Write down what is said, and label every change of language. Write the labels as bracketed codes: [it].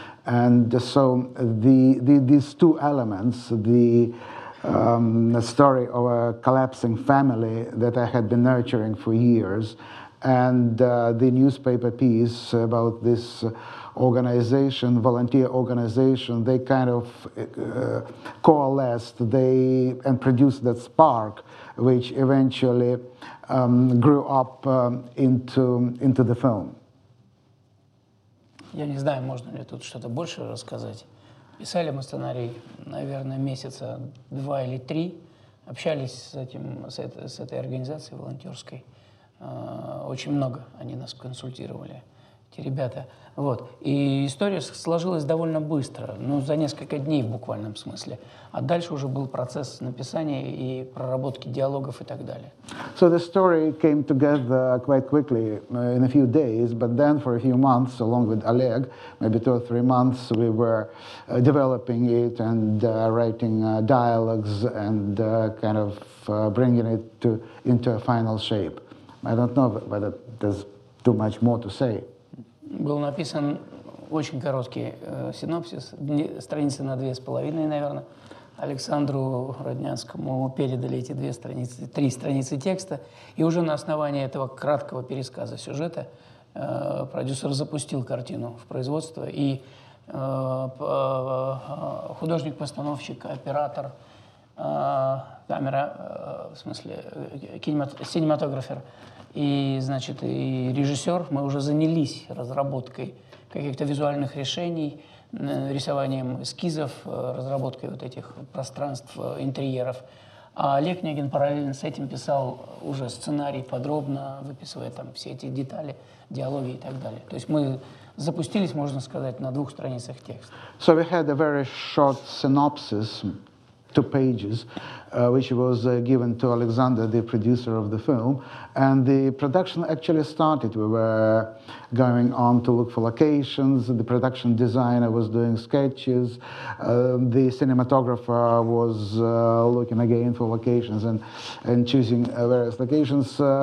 [en] And so these two elements, the story of a collapsing family that I had been nurturing for years, and the newspaper piece about this organization, volunteer organization, they kind of coalesced and produced that spark, which eventually grew up into the film. [ru] Я не знаю, можно ли тут что-то больше рассказать. Писали мы сценарий, наверное, месяца два или три. Общались с этой организацией волонтерской. Очень много они нас консультировали. эти ребята. Вот. И история сложилась довольно быстро, ну, за несколько дней в буквальном смысле. А дальше уже был процесс написания и проработки диалогов и так далее. [en] So the story came together quite quickly, in a few days, but then for a few months, along with Oleg, maybe two or three months, we were developing it and writing dialogues and kind of bringing it to, into a final shape. I don't know whether there's too much more to say. [ru] Был написан очень короткий синопсис, страницы на 2.5, наверное. Александру Роднянскому передали эти 3 страницы текста. И уже на основании этого краткого пересказа сюжета продюсер запустил картину в производство. И художник-постановщик, оператор, камера, в смысле, синематографер, и, значит, и режиссер, мы уже занялись разработкой каких-то визуальных решений, рисованием эскизов, разработкой вот этих пространств, интерьеров. А Олег Негин параллельно с этим писал уже сценарий подробно, выписывая там все эти детали, диалоги и так далее. То есть мы запустились, можно сказать, на 2 страницах текста. [en] So we had a very short synopsis, 2 pages, which was given to Alexander, the producer of the film. And the production actually started. We were going on to look for locations. The production designer was doing sketches. The cinematographer was looking again for locations and choosing various locations.